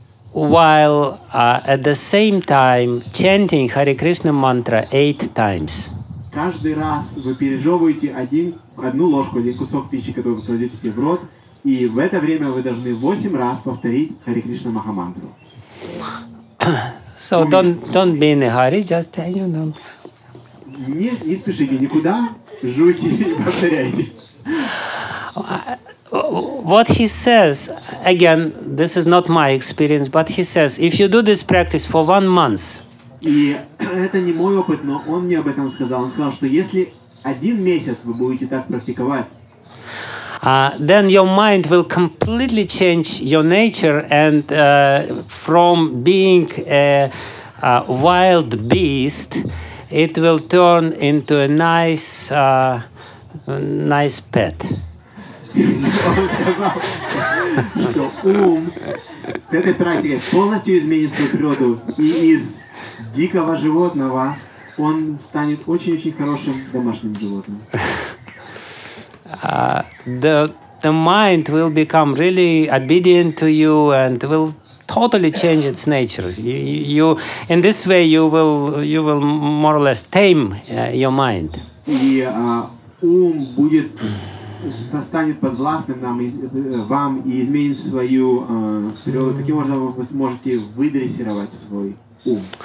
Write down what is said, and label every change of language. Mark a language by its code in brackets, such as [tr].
[en] while at the same time chanting Hare Krishna mantra 8 times, [ru] каждый раз вы пережевываете одну ложку, один кусок пищи, который вы кладете себе в рот, и в это время вы должны 8 раз повторить Hare Krishna Maha Mantra. [en] So don't be in a hurry, just you know. [ru] Нет, не спешите никуда, жуйте и повторяйте. [en] What he says, again, this is not my experience, but he says, if you do this practice for 1 month, [ru] и это не мой опыт, но он мне об этом сказал. Он сказал, что если 1 месяц вы будете так практиковать, [en] Then your mind will completely change your nature, and from being a wild beast, it will turn into a nice pet. [ru] Что ум с этой практикой полностью изменит свою природу, и из дикого животного он станет очень-очень хорошим домашним животным. [en] The mind will become really obedient to you and will totally change its nature. You in this way you will more or less tame your mind. [ru] И ум будет станет подвластным нам вам и изменит свою природу. Таким образом вы сможете выдрессировать свой ум.